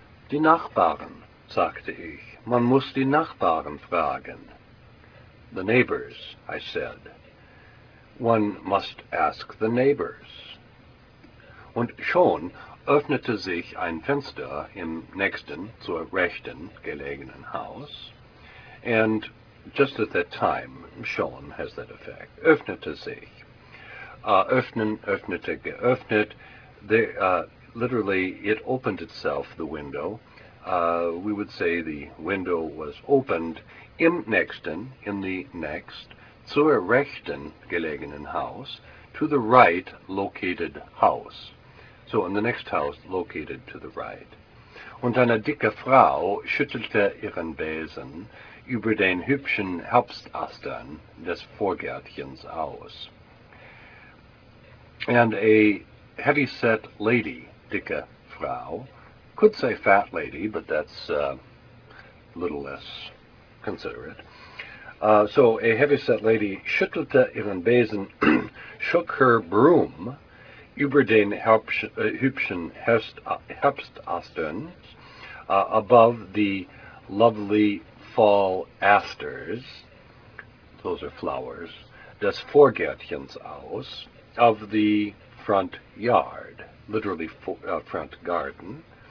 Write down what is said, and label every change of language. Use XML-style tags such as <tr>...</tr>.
<de>Die Nachbarn, sagte ich, man muss die Nachbarn fragen.</de> <en>The neighbors, I said. One must ask the neighbors.</en> <de>Und schon öffnete sich ein Fenster im nächsten, zur rechten, gelegenen Haus.</de> <en>And just at that time, schon has that effect,</en> <de>öffnete sich. Öffnen, öffnete, geöffnet.</de> <en>Literally, it opened itself, the window. We would say the window was opened</en> <de>im nächsten,</de> <en>in the next,</en> <de>zur rechten gelegenen Haus,</de> <en>to the right located house. So in the next house located to the right.</en> <de>Und eine dicke Frau schüttelte ihren Besen über den hübschen Herbstastern des Vorgärtchens aus.</de> <en>And a heavy-set lady,</en> <de>dicke Frau,</de> <en>could say fat lady, but that's a little less considerate. So a heavyset lady</en> <de>schüttelte ihren Besen,</de> <en>shook her broom</en> <de>über den hübschen Herbstastern,</de> <en>above the lovely fall asters, those are flowers,</en> <de>des Vorgärtchens aus,</de> <en>of the front yard, literally front garden.</en>